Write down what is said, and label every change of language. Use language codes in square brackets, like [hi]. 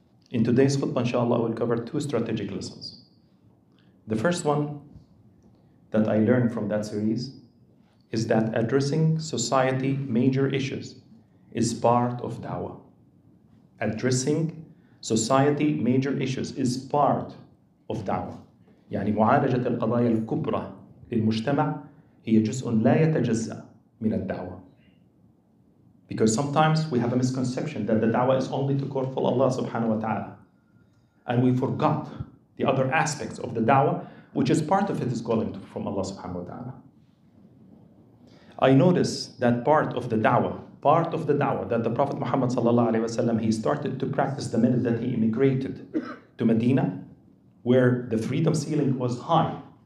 [en] In today's khutbah, inshallah, I will cover two strategic lessons. The first one that I learned from that series is that addressing society major issues is part of da'wah. Addressing society major issues is part of da'wah. [ar] يعني معالجة القضايا الكبرى للمجتمع هي جزء لا يتجزأ من الدعوة. [en] Because sometimes we have a misconception that the da'wah is only to court for Allah subhanahu wa ta'ala. And we forgot the other aspects of the da'wah, which is part of it is calling from Allah subhanahu wa ta'ala. I notice that part of the da'wah that the Prophet Muhammad sallallahu alayhi wa sallam, he started to practice the minute that he immigrated to Medina, where the freedom ceiling was high.